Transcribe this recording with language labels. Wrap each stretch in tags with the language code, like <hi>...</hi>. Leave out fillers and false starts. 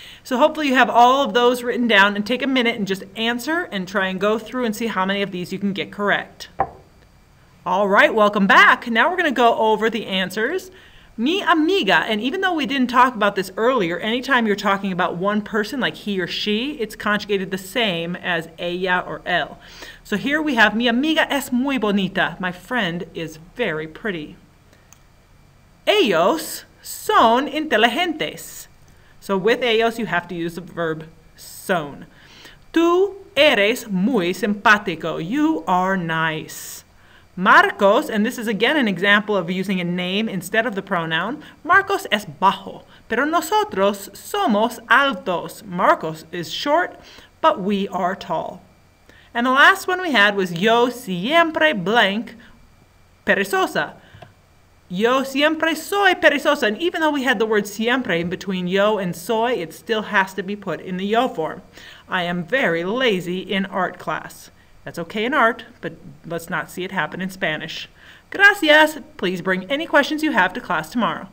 <en>So hopefully you have all of those written down, and take a minute and just answer and try and go through and see how many of these you can get correct. All right, welcome back. Now we're gonna go over the answers. Mi amiga, and even though we didn't talk about this earlier, anytime you're talking about one person, like he or she, it's conjugated the same as ella or él. So here we have</en> <es>mi amiga es muy bonita.</es> <en>My friend is very pretty.</en> <es>Ellos son inteligentes.</es> <en>So with ellos, you have to use the verb son.</en> <es>Tú eres muy simpático.</es> <en>You are nice. Marcos, and this is again an example of using a name instead of the pronoun.</en> <es>Marcos es bajo, pero nosotros somos altos.</es> <en>Marcos is short, but we are tall. And the last one we had was</en> <es>yo siempre blank perezosa. Yo siempre soy perezosa.</es> <en>And even though we had the word siempre in between yo and soy, it still has to be put in the yo form. I am very lazy in art class. That's okay in art, but let's not see it happen in Spanish. Gracias. Please bring any questions you have to class tomorrow.</en>